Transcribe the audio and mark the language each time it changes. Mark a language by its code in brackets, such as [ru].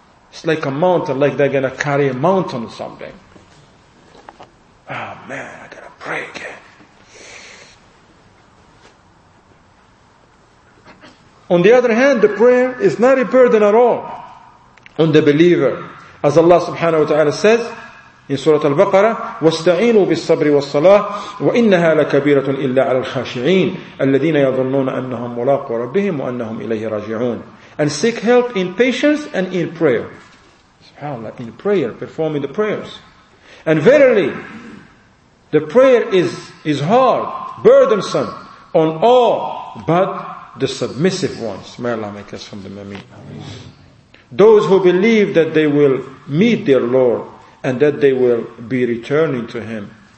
[en] It's like a mountain, like they're gonna carry a mountain or something. Oh man, I gotta pray again. On the other hand, the prayer is not a burden at all on the believer. As Allah subhanahu wa ta'ala says in Surah Al-Baqarah, [ar] وَاسْتَعِينُوا بِالصَّبْرِ وَالصَّلَاةِ وَإِنَّهَا لَكَبِيرَةٌ إِلَّا عَلَى الْخَاشِعِينَ الَّذِينَ يَظُنُّونَ أَنَّهُمْ مُلَاقُوا رَبِّهِمْ وَأَنَّهُمْ إِلَيْهِ رَاجِعُونَ. [en] And seek help in patience and in prayer. SubhanAllah, in prayer, performing the prayers. And verily, the prayer is hard, burdensome on all, but the submissive ones. May Allah make us from the Mameen. Those who believe that they will meet their Lord and that they will be returning to Him.